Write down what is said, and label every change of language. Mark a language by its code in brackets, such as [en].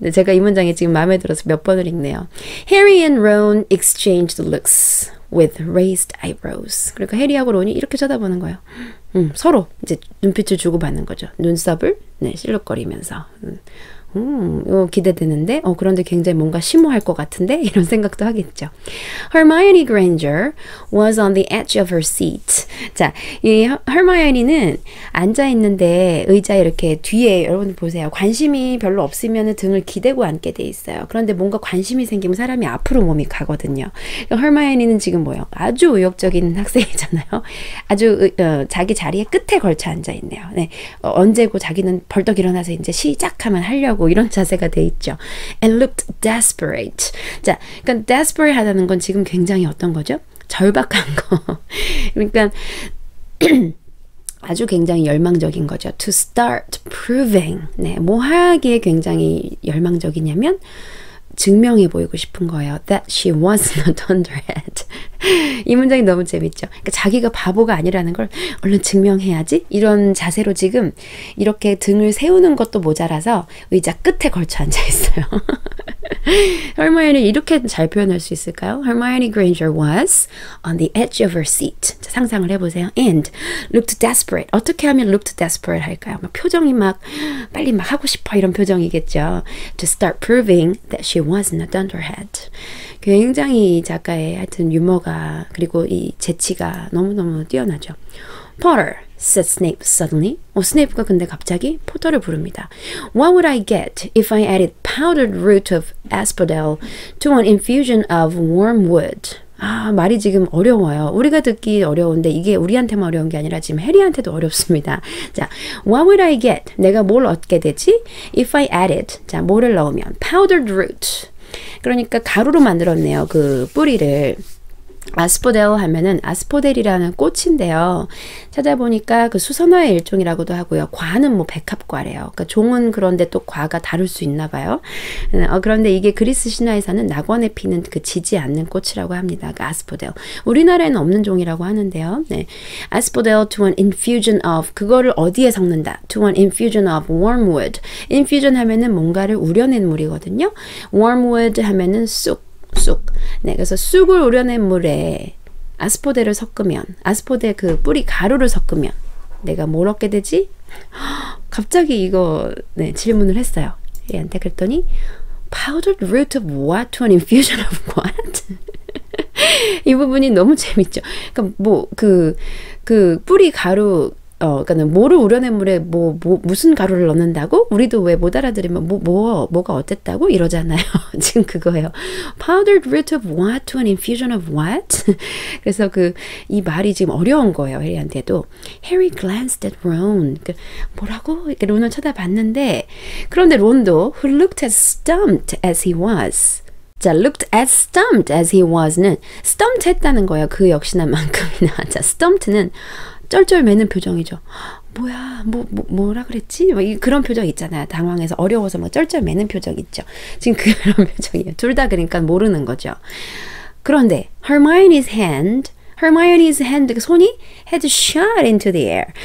[ko] 제가 이 문장이 지금 마음에 들어서 몇 번을 읽네요. [en] Harry and Ron exchanged looks with raised eyebrows. [ko] 그러니까 해리하고 론이 이렇게 쳐다보는 거예요. 서로 이제 눈빛을 주고받는 거죠. 눈썹을 실룩거리면서. 이거 기대되는데 그런데 굉장히 뭔가 심오할 것 같은데 이런 생각도 하겠죠. [en] Hermione Granger was on the edge of her seat. [ko] 자, 이 Hermione는 앉아있는데 의자 이렇게 뒤에 여러분 보세요. 관심이 별로 없으면 등을 기대고 앉게 돼 있어요. 그런데 뭔가 관심이 생기면 사람이 앞으로 몸이 가거든요. Hermione는 지금 뭐예요? 아주 의욕적인 학생이잖아요. 아주 자기 자리에 끝에 걸쳐 앉아있네요. 네, 언제고 자기는 벌떡 일어나서 이제 시작하면 하려 하고 이런 자세가 돼 있죠. [en] And looked desperate. [ko] 자, 그러니까 desperate 하다는 건 지금 굉장히 어떤 거죠? 절박한 거. 그러니까 아주 굉장히 열망적인 거죠. [en] To start proving. [ko] 네, 뭐 하기에 굉장히 열망적이냐면 증명해 보이고 싶은 거예요. [en] That she was not underhead. [ko] 이 문장이 너무 재밌죠. 그러니까 자기가 바보가 아니라는 걸 얼른 증명해야지. 이런 자세로 지금 이렇게 등을 세우는 것도 모자라서 의자 끝에 걸쳐 앉아 있어요. Hermione 이렇게 잘 표현할 수 있을까요? [en] Hermione Granger was on the edge of her seat. [ko] 자, 상상을 해보세요. [en] And looked desperate. [ko] 어떻게 하면 looked desperate 할까요? 막 표정이 막 빨리 막 하고 싶어 이런 표정이겠죠. [en] To start proving that she wasn't a dunderhead. [ko] 굉장히 작가의 하여튼 유머가 그리고 이 재치가 너무너무 뛰어나죠. [en] Potter, said Snape suddenly. [ko] 스네이프가 근데 갑자기 포터를 부릅니다. [en] What would I get if I added powdered root of asphodel to an infusion of wormwood? [ko] 아, 말이 지금 어려워요. 우리가 듣기 어려운데 이게 우리한테만 어려운 게 아니라 지금 해리한테도 어렵습니다. 자, [en] what would I get? [ko] 내가 뭘 얻게 되지? [en] If I added, [ko] 자, 뭐를 넣으면? [en] Powdered root. [ko] 그러니까 가루로 만들었네요. 그 뿌리를. 아스포델 하면은 아스포델이라는 꽃인데요. 찾아보니까 그 수선화의 일종이라고도 하고요. 과는 뭐 백합과래요. 그러니까 종은 그런데 또 과가 다를 수 있나 봐요. 그런데 이게 그리스 신화에서는 낙원에 피는 그 지지 않는 꽃이라고 합니다. 그 아스포델. 우리나라에는 없는 종이라고 하는데요. 네. 아스포델 [en] to an infusion of [ko] 그거를 어디에 섞는다? [en] To an infusion of wormwood. Infusion [ko] 하면은 뭔가를 우려낸 물이거든요. Wormwood 하면은 쑥. 네, 그래서 쑥을 우려낸 물에 아스포데를 섞으면, 아스포데 그 뿌리 가루를 섞으면 내가 뭘 얻게 되지? 갑자기 이거 네, 질문을 했어요. 얘한테 그랬더니 [en] Powdered root of what to an infusion of what? [ko] 이 부분이 너무 재밌죠. 그러니까 뭐 그 뿌리 가루 그러니까는 뭐를 우려낸 물에 무슨 가루를 넣는다고? 우리도 왜 못 알아들으면 뭐가 어땠다고? 이러잖아요. 지금 그거예요. [en] Powdered root of what to an infusion of what? [ko] 그래서 이 말이 지금 어려운 거예요. 해리한테도. [en] Harry glanced at Ron. [ko] 뭐라고? 이렇게 론을 쳐다봤는데 그런데 론도 [en] who looked as stumped as he was. 자, looked as stumped as he was는 stumped [ko] 했다는 거예요. 그 역시나 만큼이나. 자, stumped는 쩔쩔매는 표정이죠. 뭐야? 뭐라 그랬지? 뭐 그런 표정 있잖아요. 당황해서 어려워서 막 쩔쩔매는 표정 있죠. 지금 그런 표정이에요. 둘 다 그러니까 모르는 거죠. [en] 그런데 Hermione's hand [ko] 가 손이 [en] had shot into the air.